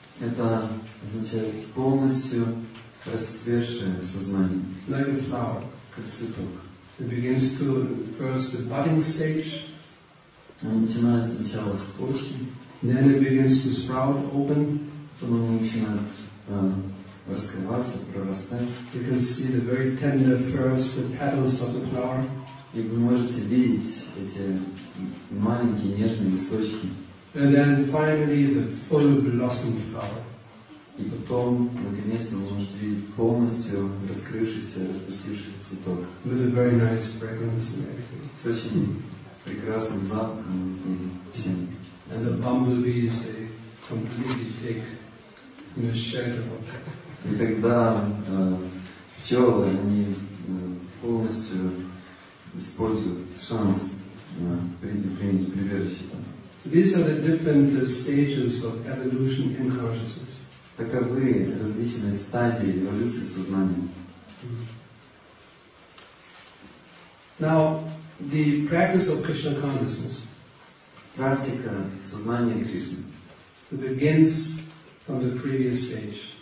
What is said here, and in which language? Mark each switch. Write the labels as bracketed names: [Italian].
[Russian] Это означает полностью расцветшее сознание. [English] Like a flower. [Russian] Как цветок. [English] It begins to first the budding stage. [Russian] Он начинает сначала с почки. [English] Then it begins to sprout open. [Russian] Потом он начинает раскрываться, прорастать. [English] You can see the very tender first the petals of the flower. [Russian] И вы можете видеть эти маленькие нежные листочки. [English] And then finally the full blossomed flower. [Russian] И потом, наконец, вы можете видеть полностью раскрывшийся, распустившийся цветок. [English] With a very nice fragrance and everything. [Russian] С очень прекрасным запахом и всем. [English] And the bumblebees, they completely take in a shadow. [Russian] И тогда пчелы, они полностью используют шанс принять прибежище. [English] So these are the different stages of evolution in consciousness. [Russian] Таковы различные стадии эволюции сознания. [English] Now, the practice of Krishna consciousness. [Russian] Практика сознания Кришны. [English] Begins from the previous stage.